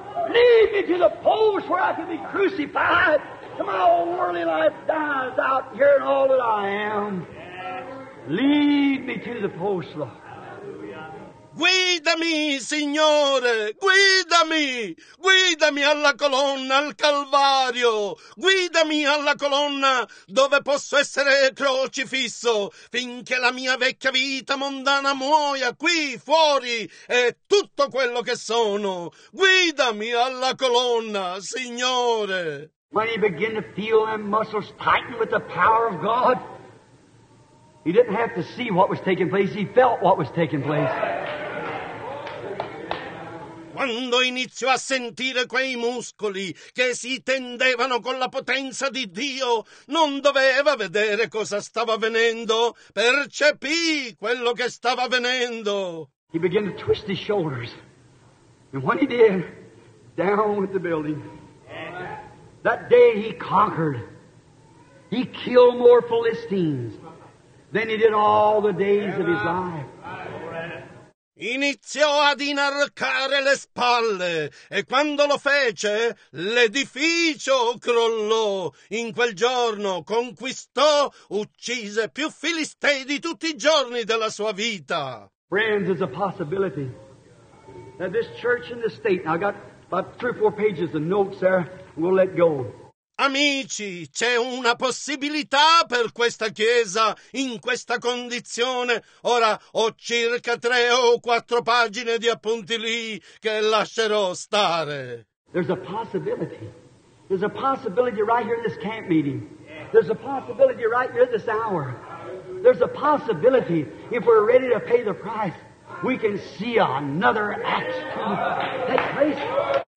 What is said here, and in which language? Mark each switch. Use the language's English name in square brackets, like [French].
[English] Lead me to the post where I can be crucified. My old worldly life dies out here in all that I am. Lead me to the post, Lord. [Italian] Guidami, Signore, guidami, guidami alla colonna, al Calvario, guidami alla colonna dove posso essere crocifisso, finché la mia vecchia vita mondana muoia qui fuori e tutto quello che sono. Guidami alla colonna, Signore. [English] When he began to feel them muscles tighten with the power of God, he didn't have to see what was taking place, he felt what was taking place. [Italian] Quando iniziò a sentire quei muscoli che si tendevano con la potenza di Dio, non doveva vedere cosa stava avvenendo, percepì quello che stava avvenendo. [English] He began to twist his shoulders. And when he did, down with the building. That day he conquered. He killed more Philistines than he did all the days of his life. [Italian] Iniziò ad inarcare le spalle e quando lo fece l'edificio crollò. In quel giorno conquistò, uccise più filistei di tutti i giorni della sua vita. [English] Friends, it's a possibility that this church in the state, I got about 3 or 4 pages of notes there, we'll let go. [Italian] Amici, c'è una possibilità per questa chiesa in questa condizione. Ora ho circa 3 o 4 pagine di appunti lì che lascerò stare. [English] There's a possibility. There's a possibility right here in this camp meeting. There's a possibility right here this hour. There's a possibility if we're ready to pay the price, we can see another act take place.